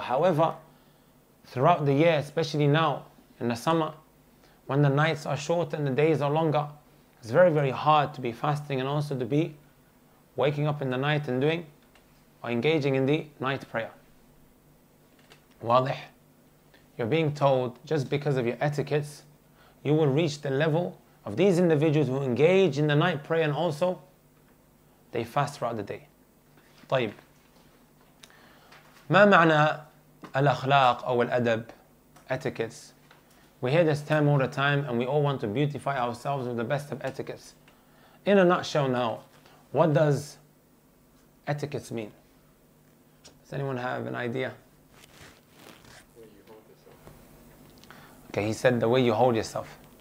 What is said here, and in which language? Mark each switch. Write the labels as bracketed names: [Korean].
[English] However, throughout the year, especially now in the summer, when the nights are short and the days are longer, it's very, very hard to be fasting and also to be waking up in the night and doing or engaging in the night prayer. Wadih. You're being told, just because of your etiquettes, you will reach the level of these individuals who engage in the night prayer and also they fast throughout the day. [Arabic] طيب ما معنى الأخلاق أو الأدب [English] etiquettes. We hear this term all the time and we all want to beautify ourselves with the best of etiquettes. In a nutshell now, what does etiquettes mean? Does anyone have an idea? Okay, he said the way you hold yourself.